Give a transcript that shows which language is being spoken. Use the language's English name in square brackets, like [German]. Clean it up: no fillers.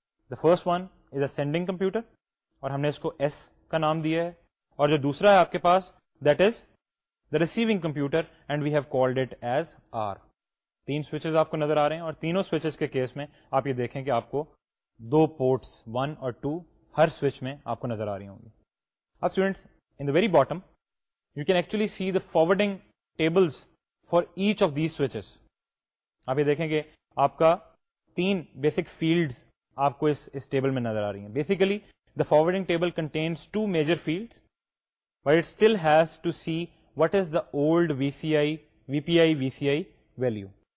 [English] the first one is a sending computer [Urdu] اور ہم نے اس کو ایس کا نام دیا ہے, اور جو دوسرا ہے آپ کے پاس [English] That is the receiving computer and we have called it as R. [Urdu] 3 switches آپ کو نظر آ رہے ہیں, اور تینوں سوئچز کے کیس میں آپ یہ دیکھیں کہ آپ کو 2 پورٹس 1 اور 2 ہر سوئچ میں آپ کو نظر آ رہی ہوں گی. [English] اب students, in the very bottom you can actually see the forwarding tables for each of these switches. [Urdu] آپ یہ دیکھیں گے آپ کا 3 بیسک فیلڈز آپ کو اس ٹیبل میں نظر آ رہی ہیں. [English] Basically the forwarding table contains 2 major fields, but it still has to see what is the old VCI, VPI, VCI value.